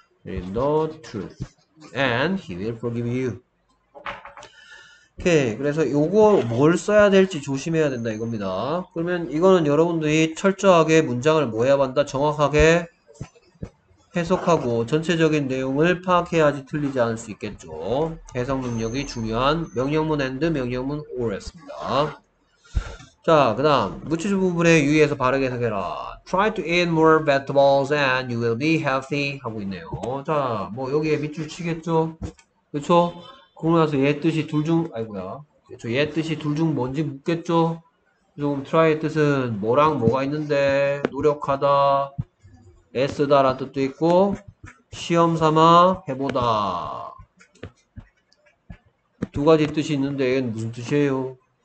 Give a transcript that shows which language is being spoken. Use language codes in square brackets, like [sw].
[en] Tell him the truth and he will forgive you. [ko] 오케이. 그래서 요거 뭘 써야 될지 조심해야 된다 이겁니다. 그러면 이거는 여러분들이 철저하게 문장을 뭐 해야 한다? 정확하게 해석하고 전체적인 내용을 파악해야지 틀리지 않을 수 있겠죠. 해석 능력이 중요한 명령문 and 명령문 or 였습니다. 자, 그다음 무치질 부분에 유의해서 바르게 해석해라. [en] Try to eat more vegetables and you will be healthy [ko] 하고 있네요. 자, 뭐 여기에 밑줄 치겠죠? 그렇죠? 그러고 나서 얘 뜻이 둘중 아이고야. 그렇죠? 얘 뜻이 둘중 뭔지 묻겠죠? 그럼 try의 뜻은 뭐랑 뭐가 있는데 노력하다, 애쓰다라는 뜻도 있고 시험 삼아 해보다 두 가지 뜻이 있는데 얘는 무슨 뜻이에요?